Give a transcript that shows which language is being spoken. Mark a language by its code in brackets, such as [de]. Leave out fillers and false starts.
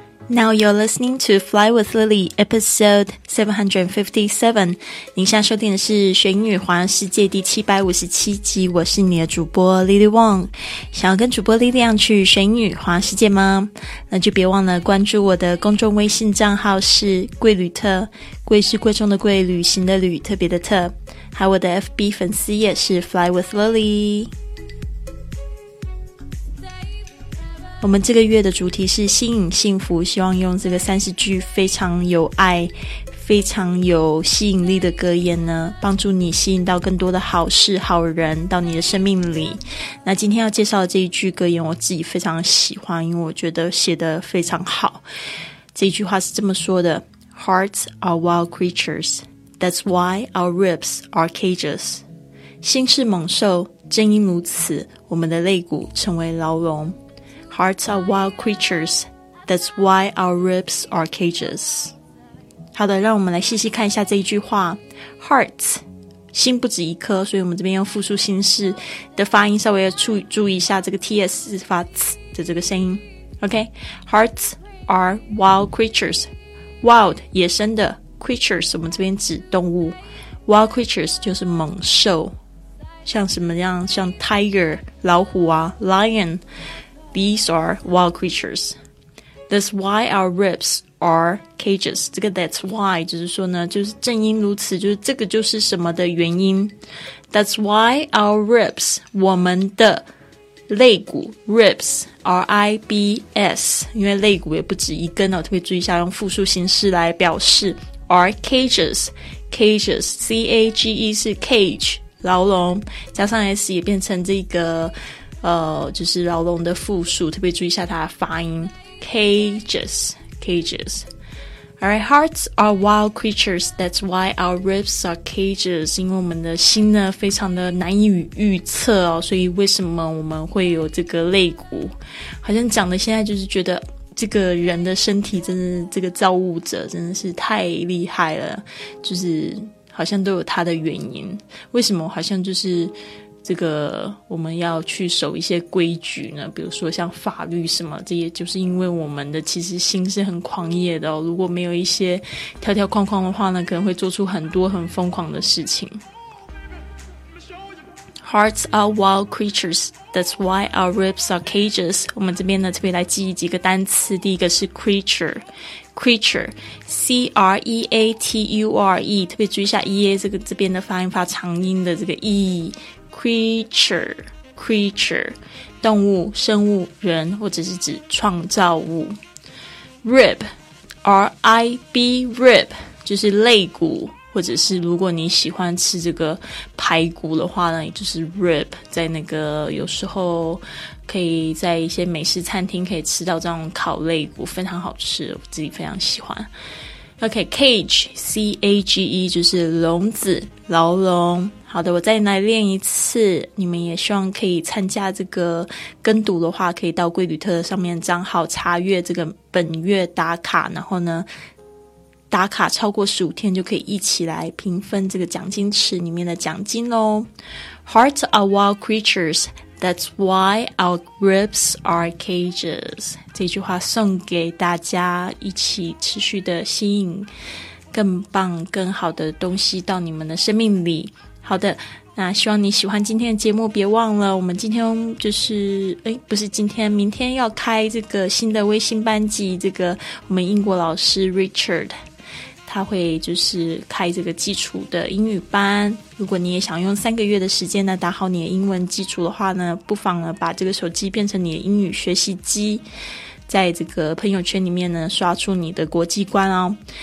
[en] Now you're listening to Fly with Lily, episode 757. [zh] 您现在收听的是学英语环游世界第757集，我是你的主播 Lily Wong。想要跟主播 Lily 去学英语环游世界吗？那就别忘了关注我的公众微信账号是贵旅特，贵是贵重的贵，旅行的旅，特别的特。还有我的 FB 粉丝也是 Fly with Lily。我们这个月的主题是吸引幸福，希望用这个30句非常有爱、非常有吸引力的格言呢，帮助你吸引到更多的好事好人到你的生命里。那今天要介绍的这一句格言我自己非常喜欢，因为我觉得写得非常好。这一句话是这么说的， [en] Hearts are wild creatures, that's why our ribs are cages. [zh] 心是猛兽，正因如此，我们的肋骨成为牢笼。 [en] Hearts are wild creatures, that's why our ribs are cages. [zh] 好的，让我们来细细看一下这一句话。Hearts, 心不止一颗，所以我们这边用复数形式的发音稍微要注意一下这个 TS 发的这个声音。 [en] OK, hearts are wild creatures. Wild, [zh] 野生的 [en] creatures, [zh] 我们这边指动物。 Wild creatures 就是猛兽，像什么样，像 tiger, 老虎啊 ,lion, [en] These are wild creatures. That's why our ribs are cages. [zh] 这个 that's why 就是说呢，就是正因如此，就是这个就是什么的原因。 [en] That's why our ribs, [zh] 我们的肋骨 ,ribs, R-I-B-S, 因为肋骨也不止一根哦，特别注意一下用复数形式来表示 ,are cages, cages, C-A-G-E 是 cage, 牢笼，加上 S 也变成这个就是牢笼的复数，特别注意一下它的发音 cages, cages. [en] Alright, hearts are wild creatures, that's why our ribs are cages. [zh] 因为我们的心呢非常的难以预测哦，所以为什么我们会有这个肋骨，好像讲的现在就是觉得这个人的身体真的，这个造物者真的是太厉害了，就是好像都有它的原因，为什么好像就是这个我们要去守一些规矩呢，比如说像法律什么，这些就是因为我们的其实心是很狂野的哦，如果没有一些条条框框的话呢，可能会做出很多很疯狂的事情。 [en] Hearts are wild creatures, that's why our ribs are cages. [zh] 我们这边呢特别来记忆几个单词，第一个是 creature, creature, C-R-E-A-T-U-R-E, 特别注意一下 E-A 这个这边的发音，发长音的这个 E,creature, creature, 动物、生物、人，或者是指创造物。 Rib, R-I-B, rib, 就是肋骨，或者是如果你喜欢吃这个排骨的话呢，就是 rib, 在那个有时候可以在一些美式餐厅可以吃到这种烤肋骨，非常好吃，我自己非常喜欢。 OK, cage, C-A-G-E, 就是笼子、牢笼。好的，我再来练一次，你们也希望可以参加这个跟读的话，可以到贵旅特上面账号查阅这个本月打卡，然后呢打卡超过15天就可以一起来平分这个奖金池里面的奖金咯。 [en] Hearts are wild creatures, that's why our ribs are cages. [zh] 这句话送给大家，一起持续的吸引更棒更好的东西到你们的生命里。好的，那希望你喜欢今天的节目，别忘了我们今天就是不是今天，明天要开这个新的微信班级，这个我们英国老师 Richard 他会就是开这个基础的英语班，如果你也想用三个月的时间呢打好你的英文基础的话呢，不妨呢把这个手机变成你的英语学习机，在这个朋友圈里面呢刷出你的国际观哦。